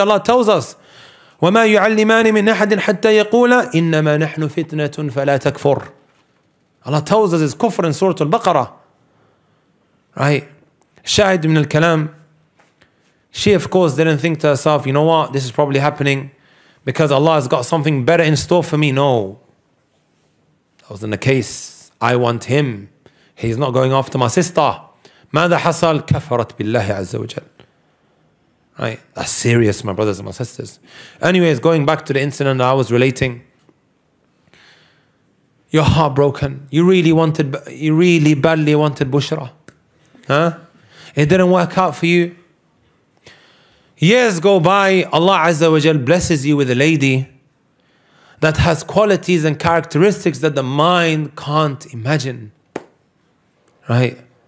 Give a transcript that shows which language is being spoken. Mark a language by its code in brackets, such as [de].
[en] Allah tells us, [ar] وَمَا يُعَلِّمَانِ مِنْ أَحَدٍ حَتَّى يَقُولَ إِنَّمَا نَحْنُ فِتْنَةٌ فَلَا تَكْفُرْ. [en] Allah tells us it's kufr in Surah Al-Baqarah. Right? Shahid ibn al-Kalam, she of course didn't think to herself, you know what, this is probably happening because Allah has got something better in store for me. No. That wasn't the case. I want him. He's not going after my sister. [ar] ماذا حصل؟ كفرت بالله عز وجل. [en] Right? That's serious, my brothers and my sisters. Anyways, going back to the incident that I was relating. You're heartbroken. You really badly wanted Bushra. Huh? It didn't work out for you. Years go by, Allah Azza wa Jal blesses you with a lady that has qualities and characteristics that the mind can't imagine. Right?